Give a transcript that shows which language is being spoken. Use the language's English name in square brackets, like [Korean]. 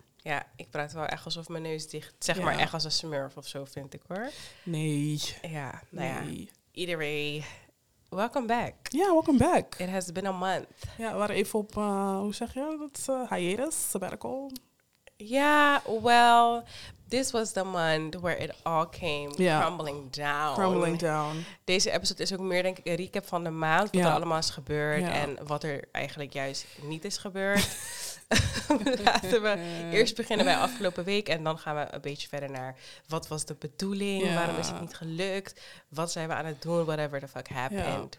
[Dutch] Ja, ik praat wel echt alsof mijn neus dicht... Zeg maar echt als een smurf of zo, vind ik hoor. Nee. Ja, nou ja. [English] Either way, welcome back. Ja, yeah, welcome back. It has been a month. [Dutch] Ja, we waren even op, hoe zeg je dat? [English] Hiatus, sabbatical. Ja, well, this was the month where it all came crumbling down. Crumbling down. [Dutch] Deze episode is ook meer denk ik een recap van de maand. Wat er allemaal is gebeurd en wat er eigenlijk juist niet is gebeurd. Laten we eerst beginnen bij afgelopen week en dan gaan we een beetje verder naar wat was de bedoeling, waarom is het niet gelukt, wat zijn we aan het doen, [English] whatever the fuck happened.